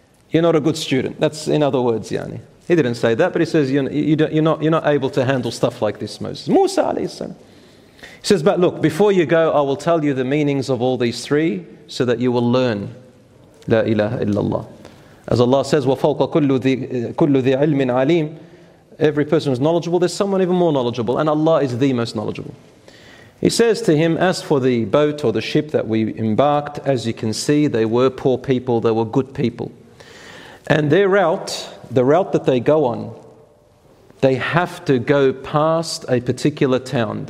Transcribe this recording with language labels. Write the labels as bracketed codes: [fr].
[en] You're not a good student. That's in other words, Yani. He didn't say that, but he says, you're not able to handle stuff like this, Moses. Musa alayhi salam. He says, but look, before you go, I will tell you the meanings of all these three so that you will learn. [ar] La ilaha illallah. [en] As Allah says, [ar] وَفَوْقَ كُلُّ ذِي عِلْمٍ عَلِيمٍ. [en] Every person is knowledgeable, there's someone even more knowledgeable, and Allah is the most knowledgeable. He says to him, as for the boat or the ship that we embarked, as you can see, they were poor people, they were good people. And their route, the route that they go on, they have to go past a particular town.